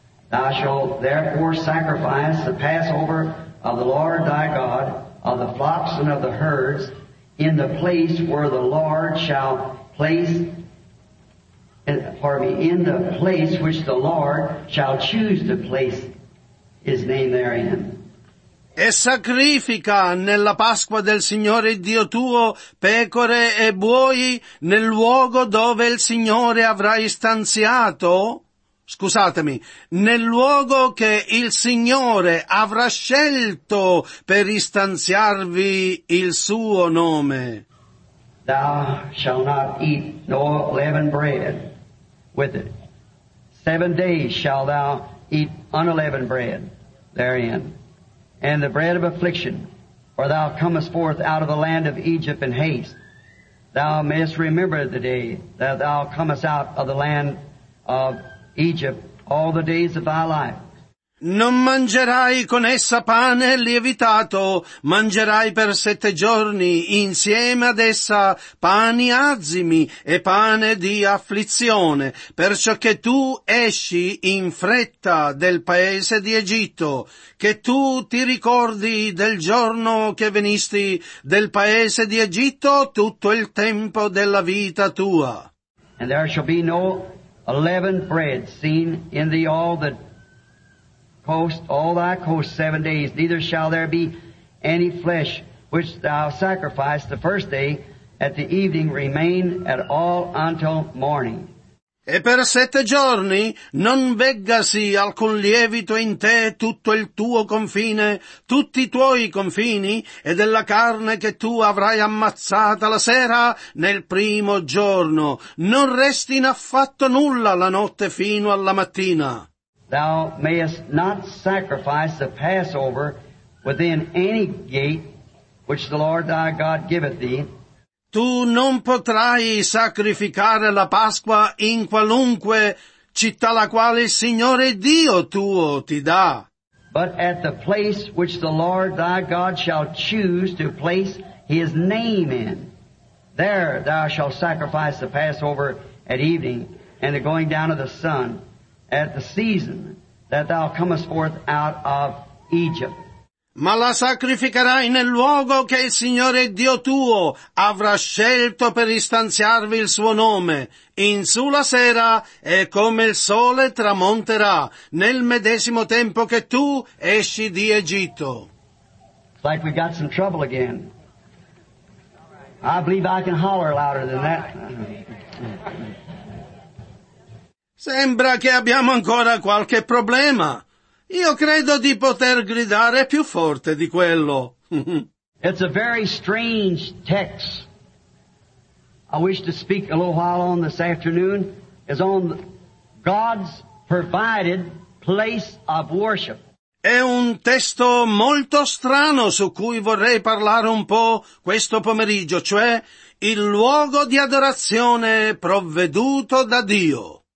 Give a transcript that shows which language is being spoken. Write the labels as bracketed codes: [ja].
[en] Thou shalt therefore sacrifice the Passover of the Lord thy God, of the flocks and of the herds, in the place where the Lord shall place, pardon me, in the place which the Lord shall choose to place his name therein. [it] E sacrifica nella Pasqua del Signore Dio tuo pecore e buoi nel luogo dove il Signore avrà istanziato, scusatemi, nel luogo che il Signore avrà scelto per istanziarvi il suo nome. [en] Thou shalt not eat no leavened bread with it. 7 days shalt thou eat unleavened bread therein. And the bread of affliction, for thou comest forth out of the land of Egypt in haste. Thou mayest remember the day that thou comest out of the land of Egypt all the days of thy life. [it] Non mangerai con essa pane lievitato, mangerai per 7 giorni insieme ad essa pani azimi e pane di afflizione, perciò che tu esci in fretta del paese di Egitto, che tu ti ricordi del giorno che venisti del paese di Egitto tutto il tempo della vita tua. [en] And there shall be no unleavened bread seen in thee all the coast, all thy coast 7 days, neither shall there be any flesh which thou sacrificed the first day at the evening remain at all until morning. [it] E per 7 giorni non veggasi alcun lievito in te tutto il tuo confine, tutti i tuoi confini, e della carne che tu avrai ammazzata la sera nel primo giorno. Non resti in affatto nulla la notte fino alla mattina. [en] Thou mayest not sacrifice the Passover within any gate which the Lord thy God giveth thee. [it] Tu non potrai sacrificare la Pasqua in qualunque città la quale il Signore Dio tuo ti dà. [en] But at the place which the Lord thy God shall choose to place his name in, there thou shalt sacrifice the Passover at evening and the going down of the sun. At the season that thou comest forth out of Egypt. [it] Ma la sacrificherai nel luogo che il Signore Dio tuo avrà scelto per istanziarvi il suo nome, in sulla sera e come il sole tramonterà, nel medesimo tempo che tu esci di Egitto. [en] It's like we got some trouble again. I believe I can holler louder than that. [it] Sembra che abbiamo ancora qualche problema. Io credo di poter gridare più forte di quello. [en] It's a very strange text. I wish to speak a little while on this afternoon. It's on God's provided place of worship. [it] È un testo molto strano su cui vorrei parlare un po' questo pomeriggio, cioè il luogo di adorazione provveduto da Dio.